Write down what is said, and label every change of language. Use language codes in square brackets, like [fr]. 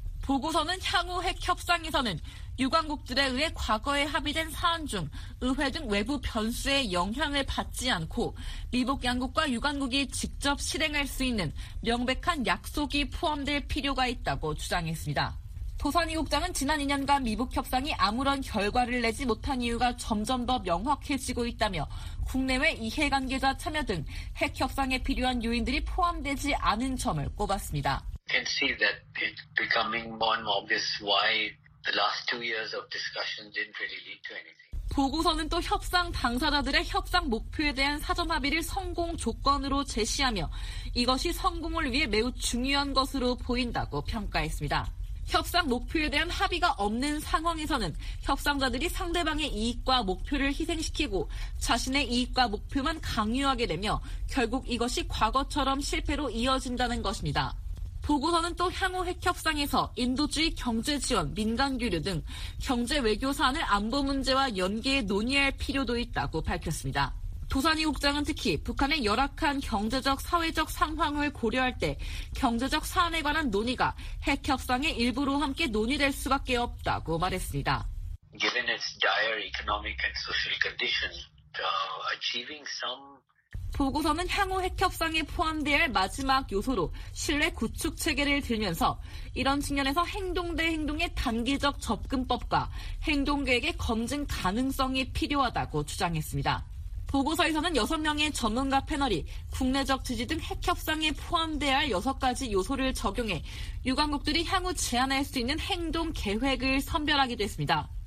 [ko] 보고서는 향후 핵 협상에서는 유관국들에 의해 과거에 합의된 사안 중 의회 등 외부 변수에 영향을 받지 않고 미북 양국과 유관국이 직접 실행할 수 있는 명백한 약속이 포함될 필요가 있다고 주장했습니다. 도산이 국장은 지난 2년간 미북 협상이 아무런 결과를 내지 못한 이유가 점점 더 명확해지고 있다며 국내외 이해관계자 참여 등 핵 협상에 필요한 요인들이 포함되지 않은 점을 꼽았습니다. [en] Can see that it's becoming more and more obvious why the last two years of discussion didn't really lead to anything. [ko] 보고서는 또 협상 당사자들의 협상 목표에 대한 사전 합의를 성공 조건으로 제시하며 이것이 성공을 위해 매우 중요한 것으로 보인다고 평가했습니다. 협상 목표에 대한 합의가 없는 상황에서는 협상자들이 상대방의 이익과 목표를 희생시키고 자신의 이익과 목표만 강요하게 되며 결국 이것이 과거처럼 실패로 이어진다는 것입니다. 보고서는 또 향후 핵협상에서 인도주의 경제지원, 민간교류 등 경제외교 사안을 안보 문제와 연계해 논의할 필요도 있다고 밝혔습니다. 도산이 국장은 특히 북한의 열악한 경제적, 사회적 상황을 고려할 때 경제적 사안에 관한 논의가 핵협상의 일부로 함께 논의될 수밖에 없다고 말했습니다. [en] given its dire economic and social condition, achieving some [ko] 보고서는 향후 핵협상에 포함될 마지막 요소로 신뢰 구축 체계를 들면서 이런 측면에서 행동 대 행동의 단기적 접근법과 행동계획의 검증 가능성이 필요하다고 주장했습니다. 보고서에서는 6명의 전문가 패널이 국내적 지지 등 핵협상에 포함돼야 할 6가지 요소를 적용해 유관국들이 향후 제안할 수 있는 행동 계획을 선별하기도 했습니다.